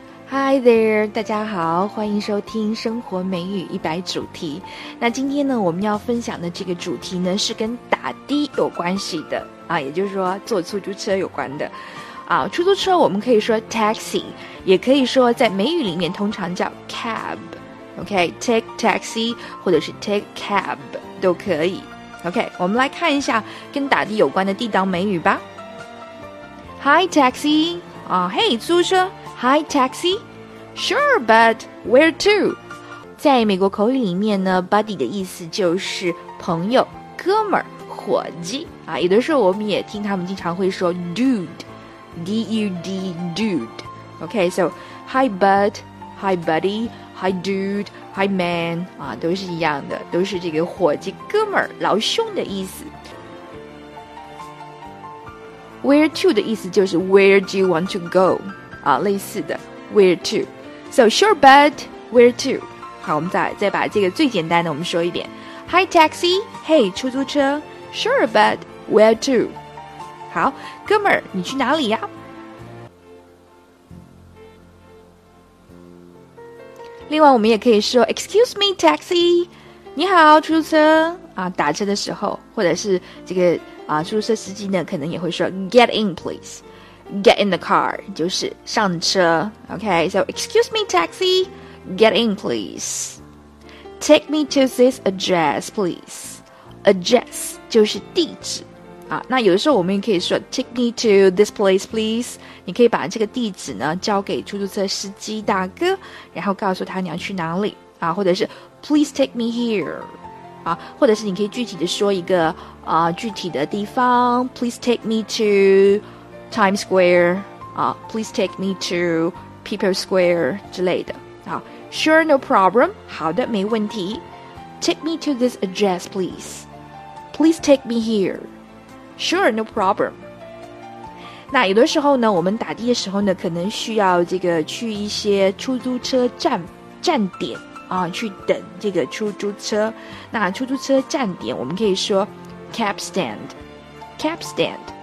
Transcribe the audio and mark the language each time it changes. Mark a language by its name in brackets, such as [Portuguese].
[English] Hi there， [Chinese] 大家好，欢迎收听生活美语一百主题。那今天呢，我们要分享的这个主题呢，是跟打的有关系的啊，也就是说坐出租车有关的啊。出租车我们可以说 taxi， 也可以说在美语里面通常叫 cab。 OK， [English] take taxi [Chinese] 或者是 [English] take cab [Chinese] 都可以。 OK， 我们来看一下跟打的有关的地道美语吧。 [English] Hi taxi， 啊，hey [Chinese] 租车。 [English] Hi, taxi. Sure, but where to? [Chinese] 在美国口语里面呢 ，buddy 的意思就是朋友、哥们儿、伙计啊。有的时候我们也听他们经常会说 dude, D-U-D, dude. [English] Okay, so hi, bud, hi, buddy, hi, dude, hi, man. [Chinese] 啊，都是一样的，都是这个伙计、哥们儿、老兄的意思。 [English] Where to [Chinese] 的意思就是 [English] Where do you want to go? [Chinese] 啊，类似的 ， [English] where to? So sure, bud, where to? [Chinese] 好，我们再把这个最简单的我们说一遍。 [English] Hi, taxi. Hey, [Chinese] 出租车。 [English] Sure, bud, where to? [Chinese] 好，哥们儿，你去哪里呀？另外，我们也可以说 ， [English] Excuse me, taxi. [Chinese] 你好，出租车。啊，打车的时候，或者是这个啊，出租车司机呢，可能也会说 ， [English] Get in, please. Get in the car, [Chinese] 就是上车。 [English] Okay, so excuse me, taxi. Get in, please. Take me to this address, please. [Chinese] Address, 就是地址。啊，那有的时候我们也可以说 [English] take me to this place, please. [Chinese] 你可以把这个地址呢交给出租车司机大哥，然后告诉他你要去哪里。 [English] 啊， [Chinese] 或者是 [English] please take me here. [Chinese] 啊，或者是你可以具体的说一个啊具体的地方 [English] please take me to... Times Square, please take me to People Square [Chinese] 之类的。 [English] Sure, no problem. [Chinese] 好的，没问题。 [English] Take me to this address, please. Please take me here. Sure, no problem. [Chinese] 那有的时候呢，我们打的的时候呢，可能需要这个去一些出租车站点啊，去等这个出租车。那出租车站点，我们可以说 [English] cab stand, cab stand.